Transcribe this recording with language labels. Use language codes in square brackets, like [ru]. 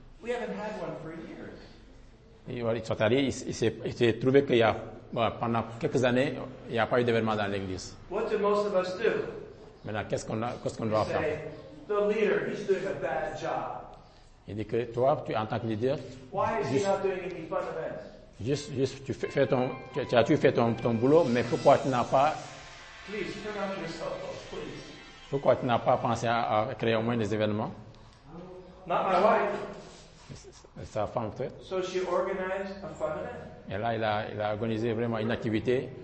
[en] We haven't had one for years. [fr] Il s'est trouvé qu'il y a pendant quelques années, il n'y a pas eu d'événement dans l'église. [en] What do most of us do? [fr] Maintenant, qu'est-ce qu'on doit faire? [en] The leader, he's doing a bad job. [fr] Il dit que toi, tu en tant que leader, [en] why is he not doing any fun events? [fr] Juste tu fais ton, tu fais ton boulot, mais pourquoi tu n'as pas [en] Please, [fr] pourquoi tu n'as pas pensé à créer au moins des événements? [en] Not my wife. [fr] Sa femme peut-être. [en] So she organized a fun event. [fr] Et là, il a organisé vraiment une activité.